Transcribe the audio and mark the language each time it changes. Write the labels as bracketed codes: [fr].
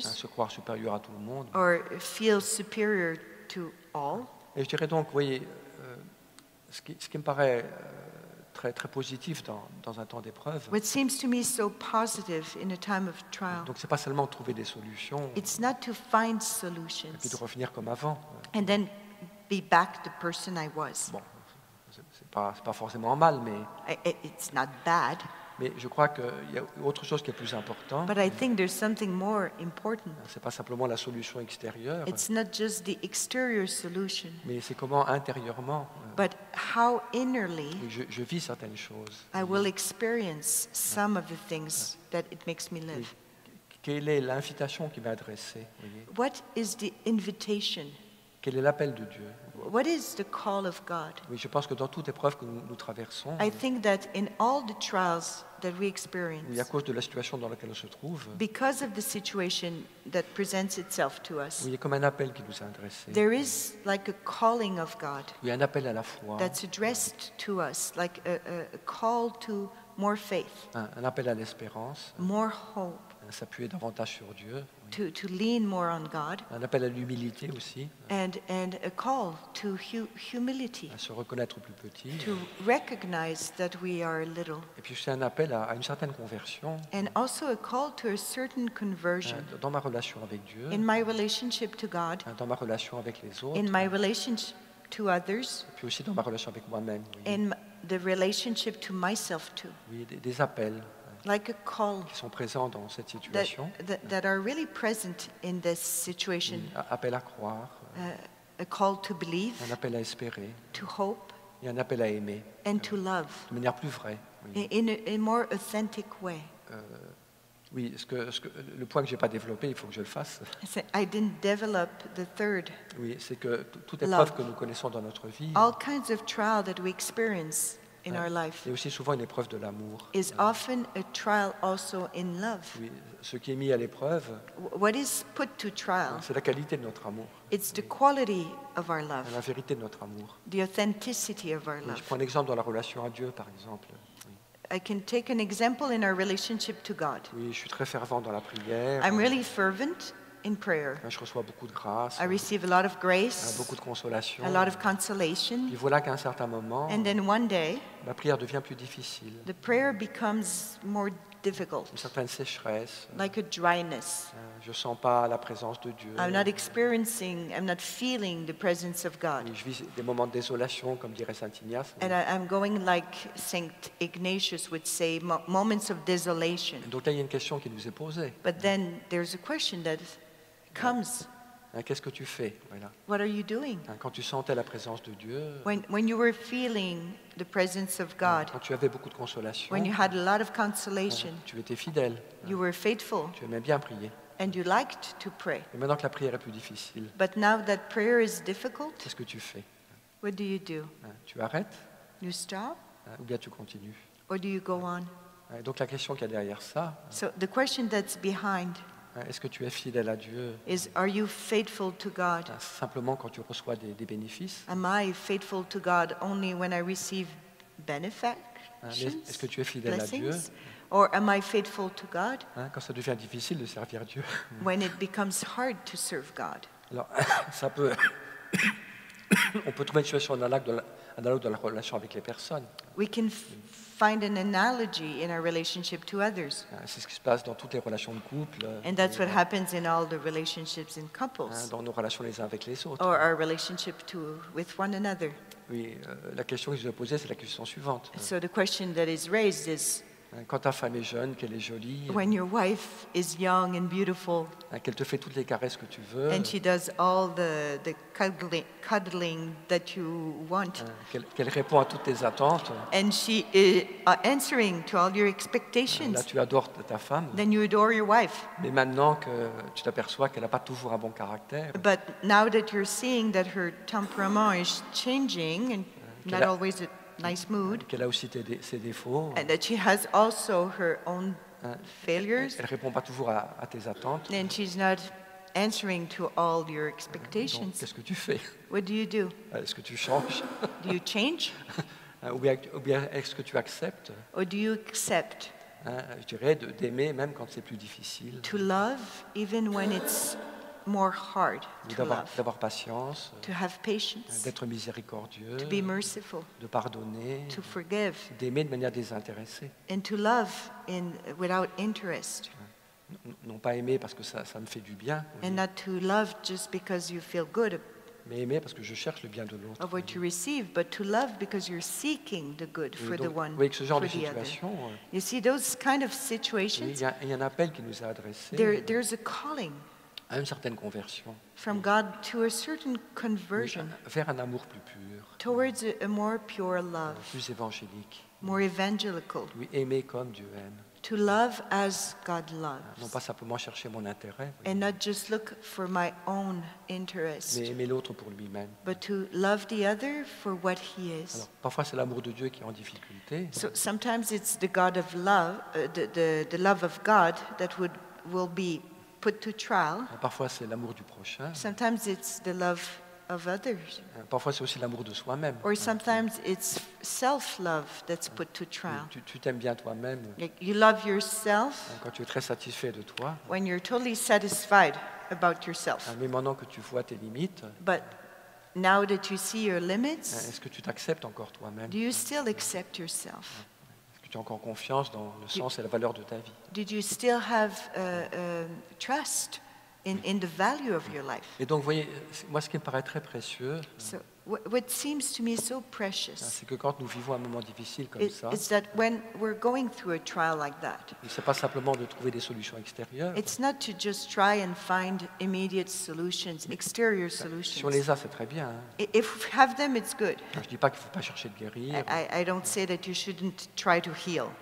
[fr] Se croire supérieure à tout le monde. [en] Or feel superior to all. [fr] Et je dirais donc, voyez, ce qui me paraît très, très positif dans un temps d'épreuve. [en] What seems to me so positive in a time of trial. [fr] Donc, c'est pas seulement trouver des solutions. [en] It's not to find solutions. [fr] Et puis de revenir comme avant. [en] And then be back the person I was. [fr] Bon, c'est pas forcément mal, mais. [en] It's not bad. [fr] Mais je crois qu'il y a autre chose qui est plus important. [en] But I think there's something more important. [fr] C'est pas simplement la solution extérieure. [en] It's not just the exterior solution. [fr] Mais c'est comment intérieurement. [en] But how innerly. [fr] Je vis certaines choses. [en] I will experience some of the things that it makes me live. [fr] Quelle est l'invitation qui m'est adressée? [en] What is the invitation? [fr] Quel est l'appel de Dieu? [en] What is the call of God? [fr] Oui, je pense que dans toute épreuve que nous traversons, [en] I think that in all the trials that we experience, [fr] oui, à cause de la situation dans laquelle on se trouve, [en] because of the situation that presents itself to us, [fr] oui, il y a comme un appel qui nous est adressé. [en] There is like a calling of God. [fr] Oui, un appel à la foi. [en] That's addressed to us, like a call to more faith. [fr] Un appel à l'espérance. [en] More hope. [fr] À s'appuyer davantage sur Dieu. [en] To lean more on God. [fr] Un appel à l'humilité aussi. [en] And a call to humility. [fr] À se reconnaître plus petit. [en] To recognize that we are little. [fr] Et puis c'est un appel à une certaine conversion. [en] And also a call to a certain conversion. [fr] Dans ma relation avec Dieu. [en] In my relationship to God. [fr] Dans ma relation avec les autres. [en] In my relationship to others. [fr] Et puis aussi dans ma relation avec moi-même. Oui. [en] In the relationship to myself too. [fr] Oui, des appels. [en] Like a call [fr] qui sont présents dans cette situation. [en] That are really present in this situation. [fr] Appel à croire. [en] A call to believe. [fr] Un appel à espérer. [en] To hope. [fr] Et un appel à aimer. [en] And to love. [fr] De manière plus vraie. Oui. [en] In a more authentic way. [fr] Oui, ce que le point que j'ai pas développé, il faut que je le fasse. [en] I didn't develop the third. [fr] Oui, c'est que toute épreuve que nous connaissons dans notre vie. [en] All kinds of trial that we experience. In our life, [fr] et aussi souvent une épreuve de l'amour. [en] Is often a trial also in love. [fr] Oui, ce qui est mis à l'épreuve. [en] What is put to trial? [fr] C'est la qualité de notre amour. [en] It's the quality of our love. [fr] La vérité de notre amour. [en] The authenticity of our love. [fr] Je prends un exemple dans la relation à Dieu, par exemple. [en] I can take an example in our relationship to God. [fr] Oui, je suis très fervent dans la prière. [en] I'm really fervent in prayer. [fr] Je reçois beaucoup de grâce. [en] I receive a lot of grace. [fr] Beaucoup de consolation. [en] A lot of consolation. [fr] Et voilà qu'à un certain moment, [en] and then one day, [fr] ma prière devient plus difficile. [en] The prayer becomes more difficult. [fr] Une certaine sécheresse. [en] Like a dryness. [fr] Je sens pas la présence de Dieu. [en] I'm not feeling the presence of God. [fr] Et je vis des moments de désolation, comme dirait Saint Ignace. [en] And I'm going like Saint Ignatius would say, moments of desolation. [fr] Donc là, il y a une question qui nous est posée. [en] But then there's a question that comes. [fr] Qu'est-ce que tu fais, voilà. [en] What are you doing? [fr] Quand tu sentais la présence de Dieu. [en] When you were feeling the presence of God. [fr] Quand tu avais beaucoup de consolation. [en] When you had a lot of consolation. [fr] Tu étais fidèle. [en] You were faithful. [fr] Tu aimais bien prier. [en] And you liked to pray. [fr] Et maintenant que la prière est plus difficile. [en] But now that prayer is difficult. [fr] Qu'est-ce que tu fais? [en] What do you do? [fr] Tu arrêtes? [en] You stop? [fr] Ou bien tu continues? [en] Or do you go on? [fr] Et donc la question qu'il y a derrière ça. [en] So the question that's behind. [fr] Est-ce que tu es fidèle à Dieu? [en] Are you faithful to God? [fr] Simplement quand tu reçois des bénéfices? [en] Am I faithful to God only when I receive benefits? [fr] Est-ce que tu es fidèle [en] blessings? [fr] À Dieu? [en] Or am I faithful to God? [fr] Quand ça devient difficile de servir Dieu? [en] When it becomes hard to serve God? [fr] Alors, ça peut. On peut trouver une situation analogue dans la relation avec les personnes. [en] We can find an analogy in our relationship to others. [fr] C'est ce qui se passe dans toutes les relations de couple. [en] And that's what happens in all the relationships in couples. [fr] Dans nos relations les uns avec les autres. [en] Or our relationship to with one another. [fr] Oui, la question que je vais poser, c'est la question suivante. [en] So the question that is raised is. [fr] Quand ta femme est jeune, qu'elle est jolie. [en] When your wife is young and beautiful. [fr] Qu'elle te fait toutes les caresses que tu veux. [en] And she does all the cuddling that you want. [fr] Qu'elle répond à toutes tes attentes. [en] And she is answering to all your expectations. [fr] Là, tu adores ta femme. [en] Then you adore your wife. [fr] Mais maintenant que tu t'aperçois qu'elle n'a pas toujours un bon caractère. [en] But now that you're seeing that her temperament is changing and not always a nice mood. [fr] Qu'elle a aussi ses défauts. [en] And that she has also her own failures. [fr] Elle répond pas toujours à tes attentes. [en] And she's not answering to all your expectations. [fr] Donc, qu'est-ce que tu fais? [en] What do you do? [fr] Est-ce que tu changes? [en] Do you change? [fr] Ou bien est-ce que tu acceptes? [en] Or do you accept? [fr] Je dirais d'aimer même quand c'est plus difficile. [en] To love even when it's more hard to [fr] d'avoir, [en] love, [fr] d'avoir patience, [en] to have patience, [fr] d'être miséricordieux, [en] to be merciful, [fr] de pardonner, [en] to forgive, [fr] d'aimer de manière désintéressée, [en] and to love in, without interest. [fr] Non pas aimer parce que ça me fait du bien, [en] and not to love just because you feel good, [fr] mais aimer parce que je cherche le bien de l'autre, [en] of what you receive, but to love because you're seeking the good for [fr] donc, [en] the one. [fr] Vous voyez que ce genre de situation, [en] you see those kind of situations, [fr] il y a un appel qui nous est adressé, [en] there's a calling, [fr] à une certaine conversion, [en] from God to a certain conversion, [fr] vers un amour plus pur, [en] towards a more pure love, [fr] plus évangélique, [en] more evangelical, [fr] oui, aimer comme Dieu aime, [en] to love as God loves, [fr] non pas simplement chercher mon intérêt, [en] and not just look for my own interest, [fr] mais aimer l'autre pour lui-même, [en] but to love the other for what he is. [fr] Alors, parfois c'est l'amour de Dieu qui est en difficulté. [en] So sometimes it's the God of love, the love of God that will be put to trial. [fr] Parfois c'est l'amour du prochain. [en] Sometimes it's the love of others. [fr] Parfois c'est aussi l'amour de soi-même. [en] Or sometimes it's self-love that's put to trial. [fr] Tu t'aimes bien toi-même. [en] Like you love yourself. [fr] Quand tu es très satisfait de toi. [en] When you're totally satisfied about yourself. [fr] Mais maintenant que tu vois tes limites. [en] But now that you see your limits. [fr] Est-ce que tu t'acceptes encore toi-même? [en] Do you still accept yourself? [fr] Tu as encore confiance dans le sens et la valeur de ta vie? [en] Did you still have trust in the value of your life? [fr] Et donc, voyez, moi, ce qui me paraît très précieux, [en] so, what seems to me so precious, [fr] c'est que quand nous vivons un moment difficile comme ça, [en] is that when we're going through a trial like that, [fr] c'est pas simplement de trouver des solutions extérieures. [en] It's not to just try and find immediate solutions, exterior solutions. [fr] Si on les a, c'est très bien. [en] If we have them, it's good. [fr] Je dis pas qu'il faut pas chercher de guérir. [en] I don't say that you shouldn't try to heal.